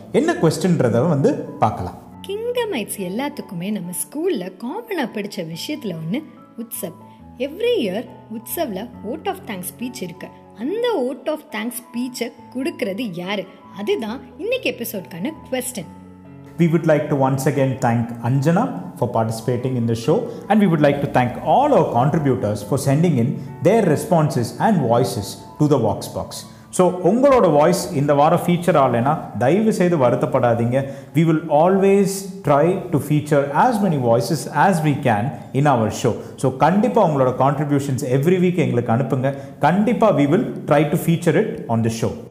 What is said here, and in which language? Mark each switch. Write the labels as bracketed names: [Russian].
[Tamil] என்ன க்வெஸ்டன்றத வந்து பார்க்கலாம். கிங்டமைட்ஸ் எல்லாத்துக்குமே நம்ம ஸ்கூலில் காமனாக பிடிச்ச விஷயத்தில் ஒன்று Utsav. [English] every year [Tamil] உத்சவில் vote of thanks speech இருக்கு. அந்த ஓட் ஆஃப் தேங்க்ஸ் ஸ்பீச்சை கொடுக்கறது யார், அதுதான் இன்னைக்கு எபிசோட்கான question. [English] We would like to once again thank Anjana for participating in the show and we would like to thank all our contributors for sending in their responses and voices to the Vox Box. [Tamil] So உங்களோட voice இந்த வாரம் feature ஆகலைன்னா தயவு செய்து வருத்தப்படாதீங்க. [English] We will always try to feature as many voices as we can in our show. [Tamil] So கண்டிப்பாக உங்களோட [English] contributions every week [Tamil] எங்களுக்கு அனுப்புங்க. கண்டிப்பாக [English] We will try to feature it on the show.